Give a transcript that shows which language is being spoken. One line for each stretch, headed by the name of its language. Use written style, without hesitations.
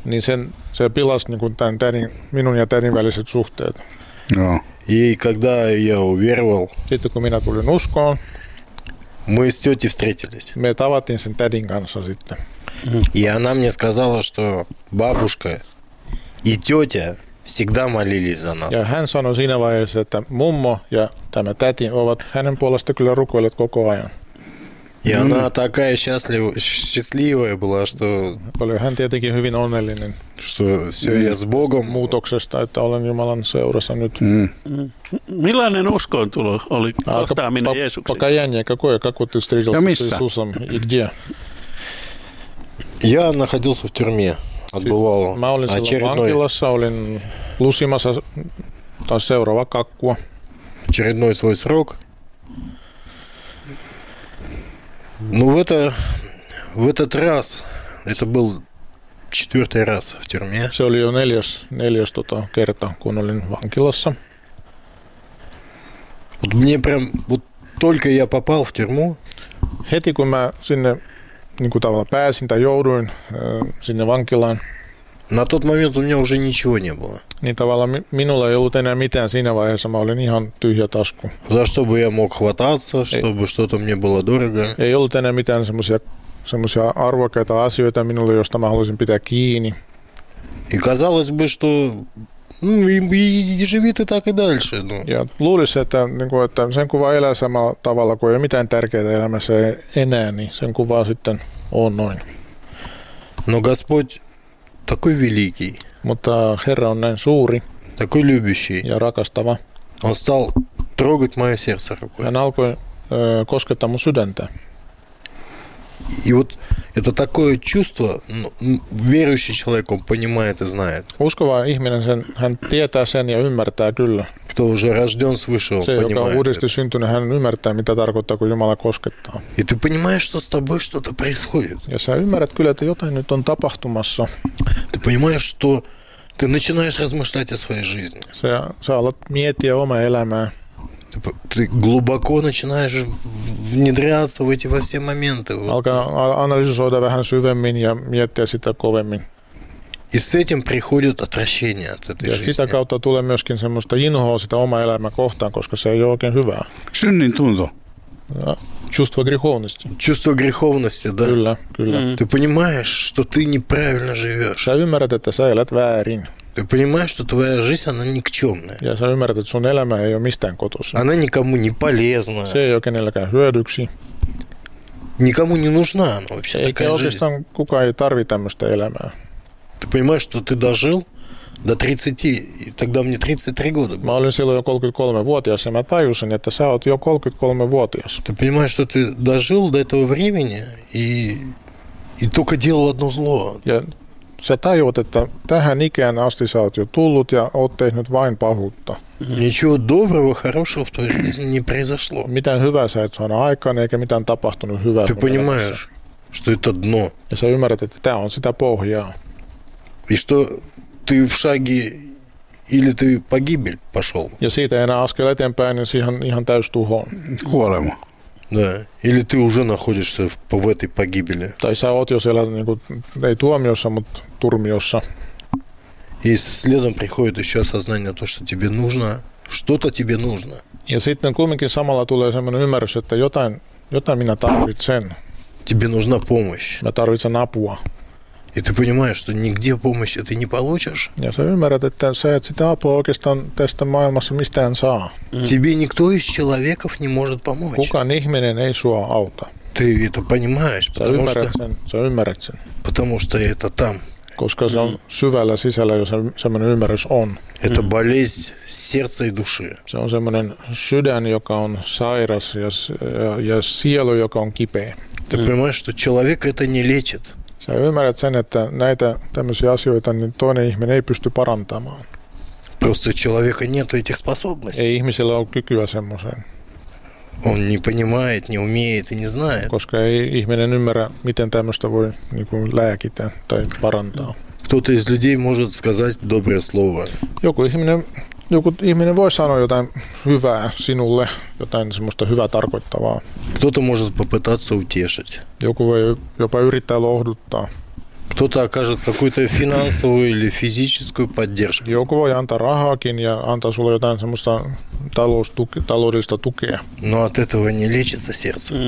Finnish: Не сен, се пилас нику тан тани, мину я тани велисет сухтет.
Russian: Да. И когда я уверовал.
Finnish: Тету кумина кулин ускон.
Russian: Мы с тетей встретились.
Finnish: Ме таватин сен тадин канса зитте.
Russian: И она мне сказала, что бабушка и тетя всегда молились за нас.
Finnish: Ja hän sanoi siinä vaiheessa, että mummo ja tämä täti ovat hänen puolesta kyllä rukoilleet koko ajan.
Russian: И она такая счастливая была, что...
Finnish: Oli hän tietenkin hyvin onnellinen.
Russian: Что все я с Богом.
Finnish: Muutoksesta, että olen Jumalan seurassa nyt. Millainen uskoontulo oli kohtaaminen Jeesuksen?
Russian: Покаяние какое, как вот ты встретился с Иисусом и где? Я находился в тюрьме, отбывал очередной свой срок. Ну, в этот раз, это был четвертый раз в тюрьме.
Finnish: Se oli jo neljäs kerta, kun olin vankilassa.
Russian: Вот мне прям, вот только я попал в тюрьму.
Finnish: Heti kun mä sinne niin kuin tavallaan pääsin tai jouduin sinne vankilaan.
Russian: На тот момент у меня уже ничего не было.
Finnish: Niin tavallaan minulla ei ollut enää mitään siinä vaiheessa, mä olin ihan tyhjä tasku.
Russian: За что бы я мог хвататься, чтобы что-то мне было дорого.
Finnish: Ei ollut enää mitään semmoisia arvokkaita asioita minulle, josta mä haluaisin pitää kiinni.
Russian: И казалось бы, что и живи ты так и дальше.
Finnish: Ja luulisi, että sen kun vaan elää samalla tavalla, kun ei ole mitään tärkeää elämässä enää, niin sen kun vaan sitten on noin.
Russian: No Господь такой великий.
Finnish: Mutta Herra on näin suuri.
Russian: Такой любящий.
Finnish: Ja rakastava.
Russian: Он стал трогать мое сердце рукой.
Finnish: Hän alkoi koskettaa mun sydäntä.
Russian: И вот это такое чувство, верующий человек, он понимает и знает.
Finnish: Uskova ihminen, hän tietää sen ja ymmärtää kyllä.
Russian: Кто уже рожден свыше, он понимает.
Finnish: Se, joka on uudesti syntynyt, hän ymmärtää, mitä tarkoittaa, kun Jumala koskettaa.
Russian: И ты понимаешь, что с тобой что-то происходит.
Finnish: Ja sä ymmärrät kyllä, että jotain nyt on tapahtumassa.
Russian: Ты понимаешь, что ты начинаешь размышлять о своей жизни.
Finnish: Sä alat miettiä omaa elämää.
Russian: Ты глубоко начинаешь внедряться в эти во все моменты. Анализировать
Finnish: вähän syvemmin ja miettiä sitä kovemmin.
Russian: И с этим приходит отвращение от этой жизни.
Finnish: Sitä kautta tulee myöskin semmoista inhoa sitä omaa elämää kohtaan, koska se ei ole oikein hyvää. Synnin tunto.
Russian: Чувство греховности. Чувство греховности, да?
Finnish: Kyllä, kyllä.
Russian: Ты понимаешь, что ты неправильно живешь.
Finnish: Sä ymmärrät, että sä elät väärin.
Russian: Ты понимаешь, что твоя жизнь, она никчемная. Я сам
Finnish: ymmärrän, että sun elämä ei ole mistään kotossa.
Russian: Она никому не полезна.
Finnish: Se ei ole kenelläkään hyödyksi.
Russian: Никому не нужна она вообще, такая жизнь.
Finnish: Eikä oikeastaan kukaan ei tarvi tämmöistä elämää.
Russian: Ты понимаешь, что ты дожил до 30, тогда мне 33 года.
Finnish: Mä olin silloin jo 33-vuotias, ja mä tajusin, että sä oot jo 33-vuotias.
Russian: Ты понимаешь, что ты дожил до этого времени и только делал одно зло.
Finnish: Sä tajuat, että tähän ikään asti sä oot jo tullut ja oot tehnyt vain pahuutta.
Russian: Ничего доброго, хорошего в твоей жизни не произошло.
Finnish: Mitään hyvää sä et saanut aikaan, eikä mitään tapahtunut hyvää.
Russian: Ты понимаешь, что это дно.
Finnish: Ja sä ymmärrät, että tää on sitä pohjaa.
Russian: И что ты в шаге или ты погибель пошел.
Finnish: Ja siitä enää askel eteenpäin, niin siihen ihan täystuhoon. Kuolema.
Russian: Да. Или ты уже находишься в этой погибели.
Finnish: Tai sä oot jo siellä, niin kuin, ei tuomiossa, mutta turmiossa.
Russian: И следом приходит еще осознание то, что тебе нужно, что-то тебе нужно.
Finnish: Ja sitten kumminkin samalla tulee semmoinen ymmärrys, että jotain minä tarvitsen.
Russian: Тебе нужна помощь.
Finnish: Mä tarvitsen apua.
Russian: И ты понимаешь, что нигде помощи ты не получишь.
Finnish: Ja sä ymmärrät, että sä et sitä apua oikeastaan tästä maailmassa mistään saa.
Russian: Тебе никто из человеков не может помочь.
Finnish: Kukaan ihminen ei sua auta.
Russian: Ты это понимаешь, потому что потому что это там.
Finnish: Koska se on syvällä sisällä, jos semmoinen ymmärrys on.
Russian: Это болезнь сердца и души.
Finnish: Se on semmoinen sydän, joka on sairas ja sielu, joka on kipeä.
Russian: Ты понимаешь, что человек это не лечит.
Finnish: Sä ymmärrät sen, että näitä tämmöisiä asioita niin toinen ihminen ei pysty parantamaan.
Russian: Просто человека нету этих способностей.
Finnish: Ei ihmisellä ole kykyä semmoiseen.
Russian: Он не понимает, не умеет и не знает.
Finnish: Koska ei ihminen ymmärrä, miten tämmöistä voi niin kuin lääkitä tai parantaa.
Russian: Кто-то из людей может сказать доброе слово.
Finnish: Joku ihminen voi sanoa jotain hyvää sinulle, jotain semmoista hyvää tarkoittavaa.
Russian: Кто-то может попытаться утешить.
Finnish: Joku voi jopa yrittää lohduttaa.
Russian: Кто-то окажет какую-то финансовую или физическую поддержку.
Finnish: Joku voi antaa rahaakin ja antaa sulle jotain semmoista taloudellista tukea.
Russian: Но от этого не лечится сердце.